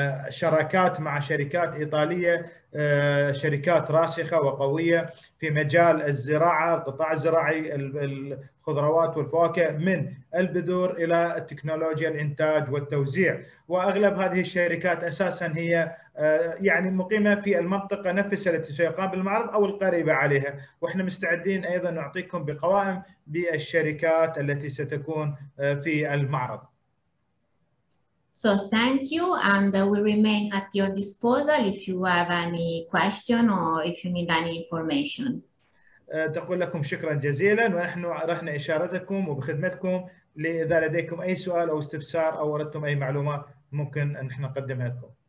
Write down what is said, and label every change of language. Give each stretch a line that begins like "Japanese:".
Arabic: شراكات مع شركات ايطاليه شركات راسخه وقويه في مجال الزراعه القطاع الزراعي الخضروات والفواكه من البذور الى التكنولوجيا الانتاج والتوزيع واغلب هذه الشركات اساسا هي يعني مقيمة في المنطقة نفسها التي سيقام بالمعرض أو القريبة عليها وإحنا مستعدين أيضا نعطيكم بقوائم بالشركات التي ستكون في المعرض.
English: So thank you and we remain at your disposal if you have any question or if you need any information.
Arabic: تقول لكم شكرا جزيلا ونحن رحنا إشارتكم وبخدمتكم لإذا لديكم أي سؤال أو استفسار أو أردتم أي معلومة ممكن أن احنا نقدمها لكم.